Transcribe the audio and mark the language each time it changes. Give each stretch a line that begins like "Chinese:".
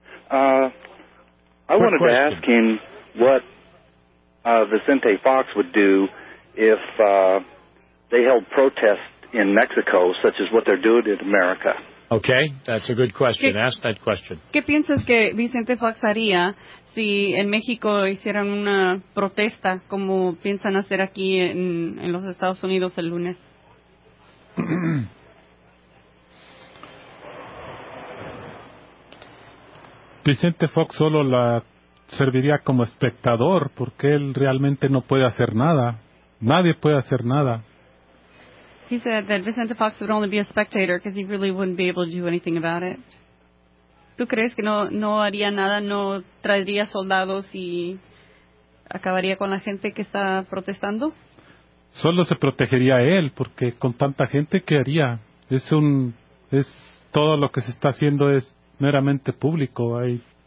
English: I wanted to ask him what Vicente Fox would do if they held protests in Mexico, such as what they're doing in America. Okay, that's a good question. Ask that question.
Spanish: ¿Qué piensas que Vicente Fox haría si en México hicieran una protesta como piensan hacer aquí en los Estados Unidos el lunes. Vicente Fox solo la serviría como espectador, porque él realmente no puede hacer nada. Nadie puede hacer nada.
English: He said that Vicente Fox would only be a spectator because he really wouldn't be able to do anything about it.
Spanish: ¿Tú crees que no haría nada, no traería soldados y acabaría con la gente que está protestando? Solo se protegería a él, porque con tanta gente, ¿qué haría? Es todo lo que se está haciendo es meramente público ahí.